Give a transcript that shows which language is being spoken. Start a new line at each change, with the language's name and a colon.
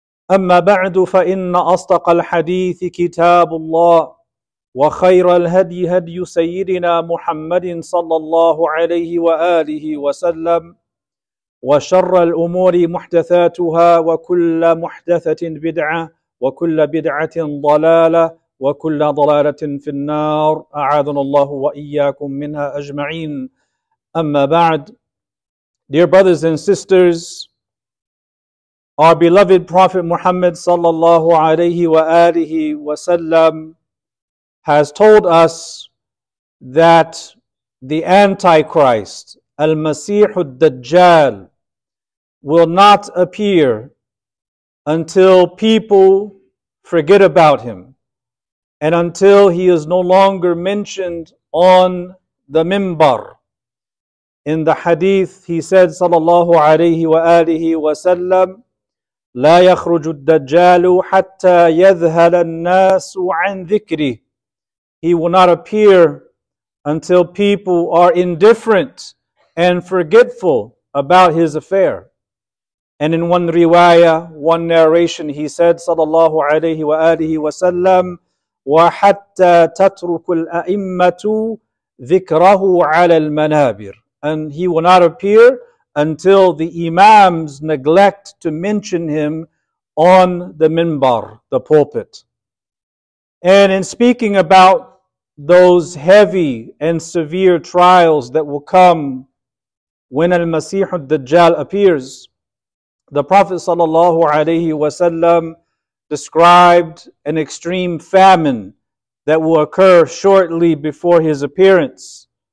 Arabic: أما بعد، فإن أصدق الحديث كتاب الله، وخير الهدي هدي سيدنا محمد صلى الله عليه وآله وسلم، وشر الأمور محدثاتها، وكل محدثة بدعة، وكل بدعة ضلالة، وكل ضلالة في النار، أعاذنا الله وإياكم منها أجمعين. Amma ba'd.
English: Dear brothers and sisters, our beloved Prophet Muhammad sallallahu alayhi wa alihi wa sallam has told us that the Antichrist, Al-Masih al-Dajjal, will not appear until people forget about him and until he is no longer mentioned on the minbar. In the hadith, he said, sallallahu alayhi wa alihi wa sallam,
Arabic: la yakhruju ad-dajjalu hatta yadhhala an-nasu 'an dhikri.
English: He will not appear until people are indifferent and forgetful about his affair. And in one riwayah, one narration, he said, sallallahu alayhi wa alihi wa sallam,
Arabic: وحتى تترك الأئمة ذكره على المنابر.
English: And he will not appear until the imams neglect to mention him on the minbar, the pulpit. And in speaking about those heavy and severe trials that will come when al-Masih al-Dajjal appears, the Prophet sallallahu alayhi wasallam described an extreme famine that will occur shortly before his appearance.